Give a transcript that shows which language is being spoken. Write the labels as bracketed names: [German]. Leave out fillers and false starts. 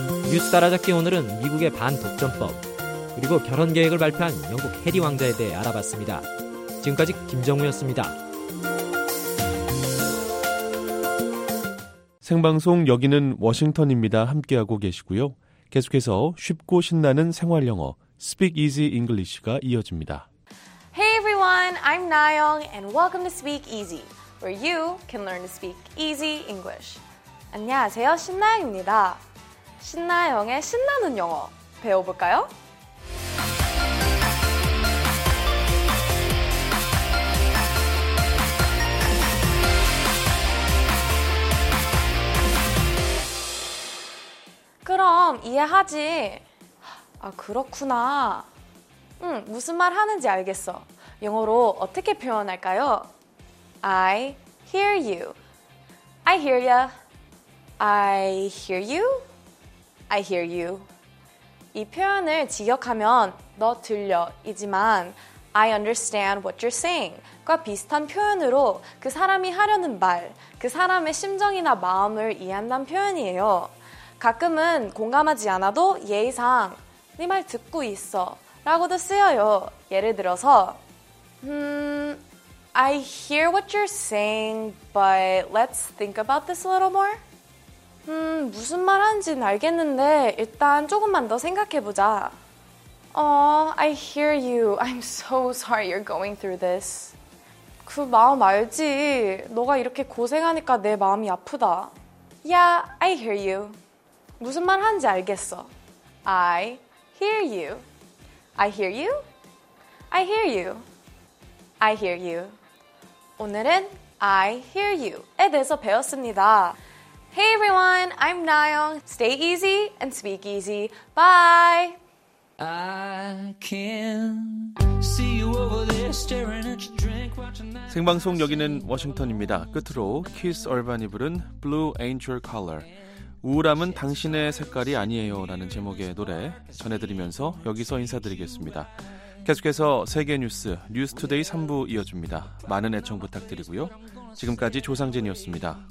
[Korean] 뉴스 따라잡기 오늘은 미국의 반독점법 그리고 결혼 계획을 발표한 영국 해리 왕자에 대해 알아봤습니다. 지금까지 김정우였습니다. 생방송 여기는 워싱턴입니다. 함께하고 계시고요. 계속해서 쉽고 신나는 생활 영어 Speak Easy English가 이어집니다. [English] Hey everyone, I'm Nayoung and welcome to Speak Easy, where you can learn to speak easy English. [Korean] 안녕하세요, 신나영입니다. 신나영의 신나는 영어 배워볼까요? 그럼 이해하지? 아, 그렇구나. 응, 무슨 말 하는지 알겠어. 영어로 어떻게 표현할까요? [English] I hear you. I hear ya. I hear you. I hear you. [Korean] 이 표현을 직역하면 너 들려 이지만 [English] I understand what you're saying [Korean] 과 비슷한 표현으로 그 사람이 하려는 말, 그 사람의 심정이나 마음을 이해한다는 표현이에요. 가끔은 공감하지 않아도 예의상 네 말 듣고 있어 라고도 쓰여요. 예를 들어서 [English] I hear what you're saying, but let's think about this a little more. [Korean] 무슨 말 하는지는 알겠는데 일단 조금만 더 생각해보자. [English] I hear you. I'm so sorry you're going through this. [Korean] 그 마음 알지? 너가 이렇게 고생하니까 내 마음이 아프다. [English] Yeah, I hear you. [Korean] 무슨 말 하는지 알겠어. [English] I hear you. I hear you. I hear you. I hear you. [Korean] 오늘은 [English] I hear you [Korean] 에 대해서 배웠습니다. [English] Hey everyone, I'm Nayoung. Stay easy and speak easy. Bye. I can see you over there staring at your drink watching that. [Korean] 생방송 여기는 워싱턴입니다. 끝으로 키스 얼반이 부른 Blue Angel Color. 우울함은 당신의 색깔이 아니에요 라는 제목의 노래 전해드리면서 여기서 인사드리겠습니다. 계속해서 세계 뉴스 뉴스 투데이 3부 이어집니다. 많은 애청 부탁드리고요. 지금까지 조상진이었습니다.